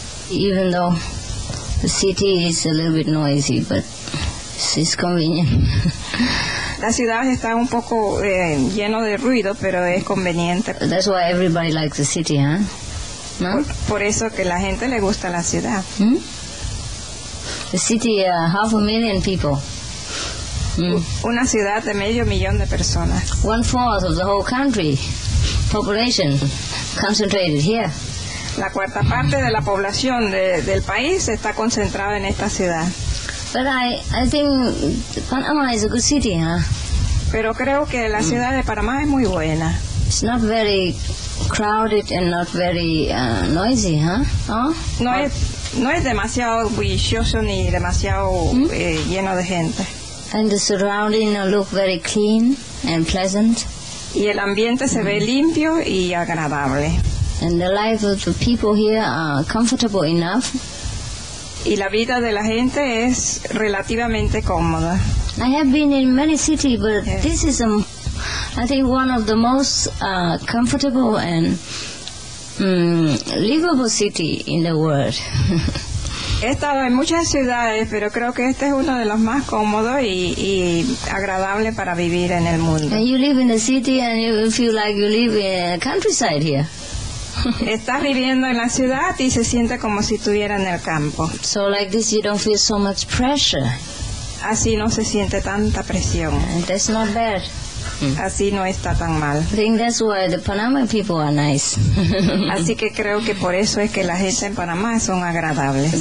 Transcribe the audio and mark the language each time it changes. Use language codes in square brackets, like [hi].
[en] Even though the city is a little bit noisy, but it's convenient. [es] La ciudad está un poco lleno de ruido, pero es conveniente. [en] That's why everybody likes the city, huh? [es] No? Por eso que la gente le gusta la ciudad. [en] Hmm? The city, half a million people. [es] Hmm. Una ciudad de medio millón de personas. [en] One fourth of the whole country population concentrated here. [es] La cuarta parte de la población del país está concentrada en esta ciudad. [en] But I think Panama is a good city, huh? [es] Pero creo que la ciudad de Panamá es muy buena. [en] It's not very crowded and not very noisy, huh? [es] No, no es demasiado bullicioso ni demasiado lleno de gente. [en] And the surrounding look very clean and pleasant. [es] Y el ambiente se ve limpio y agradable. [en] And the life of the people here are comfortable enough. [es] Y la vida de la gente es relativamente cómoda. [en] I have been in many cities, but yes. This is, I think, one of the most comfortable and livable city in the world. [es] He estado en muchas ciudades, pero creo que este es uno de los más cómodos y agradable para vivir en el mundo. [en] And you live in a city and you feel like you live in a countryside here. [es] Estás viviendo en la ciudad y se siente como si estuviera en el campo. [en] So like this you don't feel so much pressure. [es] Así no se siente tanta presión. [en] And that's not bad. [es] Así no está tan mal. [en] I think that's why the Panama people are nice. [es] Así que creo que por eso es que la gente en Panamá son agradables.